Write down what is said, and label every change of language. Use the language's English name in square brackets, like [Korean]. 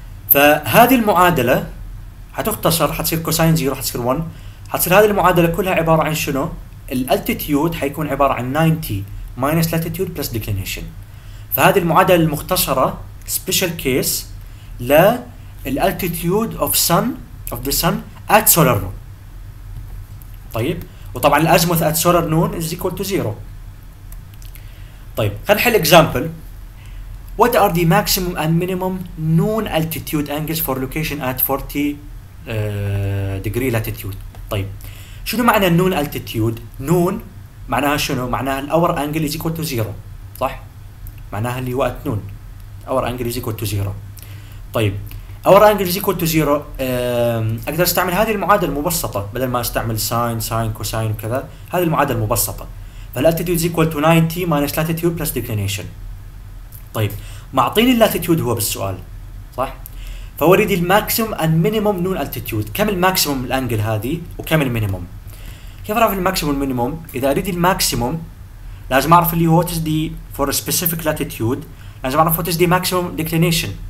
[Arabic] فهذه المعادله حتختصر حتصير كوساين زيرو حتصير 1، حتصير هذه المعادله كلها عباره عن شنو؟ الالتيتيود حيكون عباره عن 90 ماينس لاتيتيود بلس ديكلينيشن. فهذه المعادله المختصره special case للالتيتيود اوف سن اوف ذا سن at solar noon. [English] طيب وطبعا الازموث at solar noon is equal to zero. [Arabic] طيب خلينا نحل example. [English] What are the maximum and minimum noon altitude angles for location at 40 degree latitude؟ طيب شنو معنى noon altitude؟ noon معناها شنو؟ معناها الاور angle is equal to zero صح؟ معناها اللي هو at noon hour angle is equal to zero. [Arabic] طيب اور انجل زيكوال تو زيرو، اقدر استعمل هذه المعادله المبسطه بدل ما استعمل ساين ساين كوساين وكذا، هذه المعادله المبسطه. فالالتيتيود زيكوال تو 90 ماينس لاتيتيود بلس ديكلينيشن. طيب معطيني اللاتيتيود هو بالسؤال صح؟ فوريدي الماكسيموم اند مينيموم نون التيتيود، كم الماكسيموم الانجل هذه وكم المينيموم؟ كيف اعرف الماكسيموم والمينيموم؟ اذا اريد الماكسيموم لازم اعرف اللي هو تس دي فور سبيسيفيك لاتيتيود، لازم اعرف تس دي ماكسيموم ديكلينيشن.